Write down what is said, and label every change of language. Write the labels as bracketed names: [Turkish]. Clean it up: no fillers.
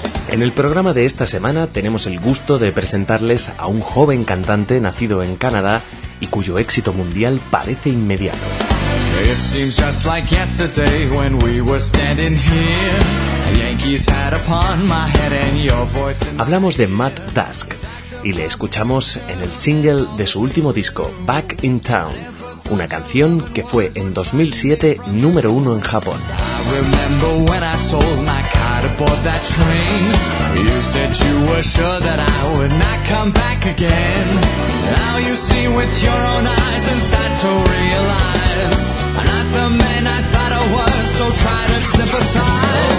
[Spanish] En el programa de esta semana tenemos el gusto de presentarles a un joven cantante nacido en Canadá y cuyo éxito mundial parece inmediato. [English] It seems just like yesterday when we were standing here. A Yankee's hat upon my head and your voice in my... [Spanish] Hablamos de Matt Dusk y le escuchamos en el single de su último disco, Back in Town, una canción que fue en 2007 número uno en Japón. [English] I remember when I sold my car to board that train. You said you were sure that I would not come back again. Now you see with your own eyes and start to realize I'm not the man I thought I was, so try to sympathize.